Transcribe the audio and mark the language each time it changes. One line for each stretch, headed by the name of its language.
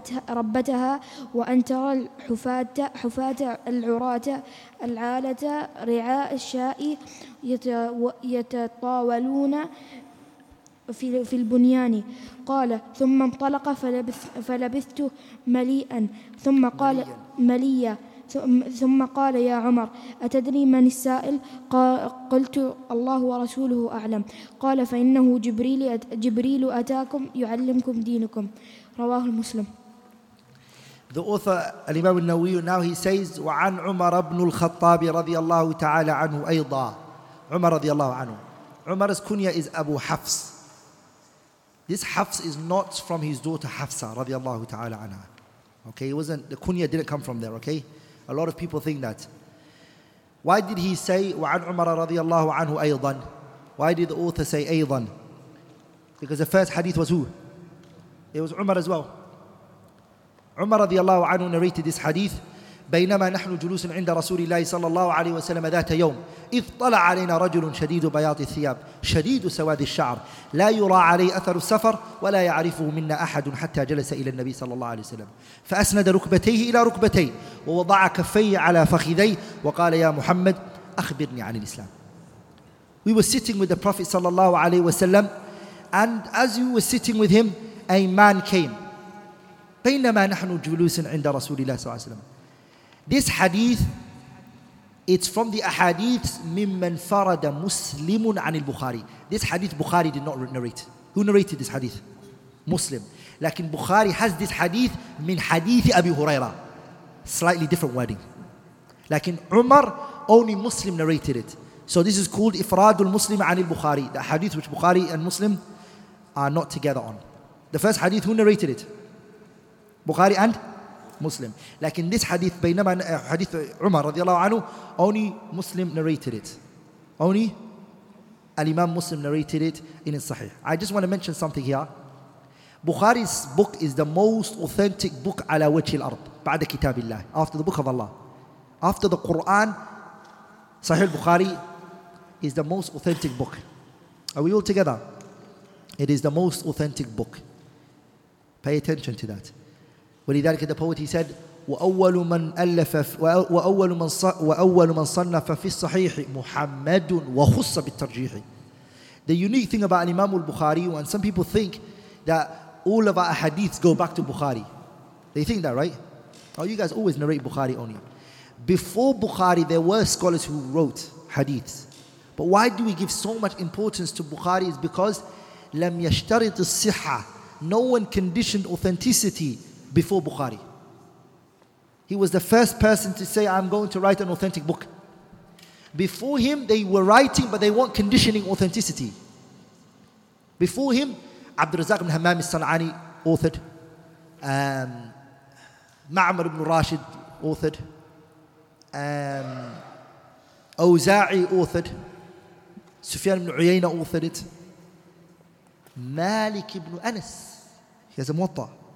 Arabic: ربتها وأن ترى حفاة العراة العالة رعاء الشاء يتطاولون في البنيان قال ثم انطلق فلبثت مليئا ثم قال مليا ثم قال يا عمر أتدري من السائل قلت الله ورسوله أعلم قال فإنه جبريل أتاكم يعلمكم دينكم رواه المسلم.
English: The author Al-Imam al-Nawawi, now he says
Arabic: وعن عمر بن الخطاب رضي الله تعالى عنه أيضا عمر رضي الله عنه.
English: عمر's kunya is Abu Hafs. This Hafs is not from his daughter Hafsa
Arabic: رضي الله تعالى عنها.
English: Okay, it wasn't, the kunya didn't come from there. Okay, a lot of people think that. Why did he say
Arabic: وعن عمر رضي الله عنه أيضا?
English: Why did the author say أيضا? Because the first hadith was who? It was Umar as well. Umar radiallahu anhu narrated this hadith.
Arabic: بينما نحن جلوس عند رسول الله صلى الله عليه وسلم ذات يوم إذ طلع علينا رجل شديد بياض الثياب شديد سواد الشعر لا يرى عليه أثر السفر ولا يعرفه منا أحد حتى جلس إلى النبي صلى الله عليه وسلم فأسند ركبتيه إلى ركبتي ووضع كفيه على فخذي وقال يا محمد أخبرني عن الإسلام.
English: We were sitting with the Prophet
Arabic: صلى الله عليه وسلم,
English: and as we were sitting with him, a man came.
Arabic: بينما نحن جلوس عند رسول الله صلى الله عليه وسلم.
English: This hadith, it's from the ahadith
Arabic: ممن فرد مسلم عن البخاري.
English: This hadith Bukhari did not narrate. Who narrated this hadith? Muslim.
Arabic: لكن
English: Bukhari has this hadith
Arabic: من حديث أبي هريرة.
English: Slightly different wording. لكن عمر, only Muslim narrated it. So this is called
Arabic: إفراد المسلم عن البخاري.
English: The hadith which Bukhari and Muslim are not together on. The first hadith, who narrated it? Bukhari and Muslim. Like in this hadith, hadith Umar radiallahu anhu, only Muslim narrated it. Only Al-Imam Muslim narrated it in his Sahih. I just want to mention something here. Bukhari's book is the most authentic book
Arabic: ala wajhi al-ard, ba'da kitabillah,
English: after the book of Allah. After the Quran, Sahih al-Bukhari is the most authentic book. Are we all together? It is the most authentic book. Pay attention to that.
Arabic: ولذلك
English: the poet he said
Arabic: وأول من ألف وأول من صنف في الصحيح محمد وخص بالترجيح.
English: The unique thing about Imam al-Bukhari, and some people think that all of our hadiths go back to Bukhari. They think that, right? Oh, you guys always narrate Bukhari only. Before Bukhari, there were scholars who wrote hadiths. But why do we give so much importance to Bukhari? Is because
Arabic: لم يشترط الصحة.
English: No one conditioned authenticity before Bukhari. He was the first person to say, I'm going to write an authentic book. Before him, they were writing, but they weren't conditioning authenticity. Before him, Abdul Razak ibn Hammam al-San'ani authored, Ma'mar ibn Rashid authored, Awza'i authored, Sufyan ibn Uyayna authored it, Malik ibn Anas, he has a muwatta.